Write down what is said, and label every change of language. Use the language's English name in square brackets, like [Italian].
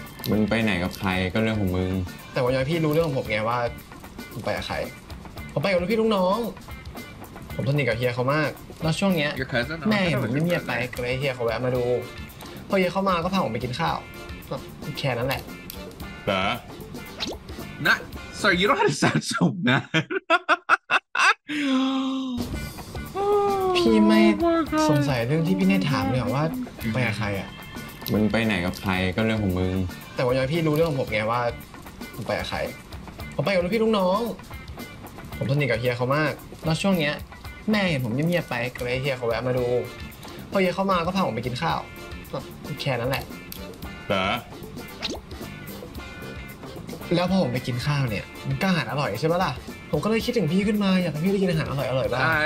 [Thai] มึงไปไหนกับใครก็เรื่องของมึง แต่ว่าอย่างพี่รู้เรื่องของผมไงว่าผมไปกับใครผมไปกับพี่ลูกน้องผมสนิทกับเฮียเขามากแล้วช่วงเนี้ยแม่เหมือนไม่เงียบไปก็เลยเฮียเขาแวะมาดูพอเฮียเขามาก็พาผมไปกินข้าวแค่นั้นแหละ แต่ [English] นะSorry, you don't have to sound so mad. [Thai] พี่ไม่สงสัยเรื่องที่พี่เนี่ยถามเลยว่าไปกับใครอ่ะ มึงไปไหนกับใครก็เรื่องของมึง แต่ว่าอย่างพี่รู้เรื่องของผมไงว่าผมไปกับใครผมไปกับพี่ลูกน้องผมสนิทกับเฮียเขามากแล้วช่วงเนี้ยแม่เห็นผมเงียบๆไปก็เลยเฮียเขาแวะมาดูพอเฮียเขามาก็พาผมไปกินข้าวแค่นั้นแหละแล้วพอผมไปกินข้าวเนี่ยมันก็อาหารอร่อยใช่ป่ะล่ะผมก็เลยคิดถึงพี่ขึ้นมาอยากให้พี่ได้กินอาหารอร่อยอร่อยบ้าง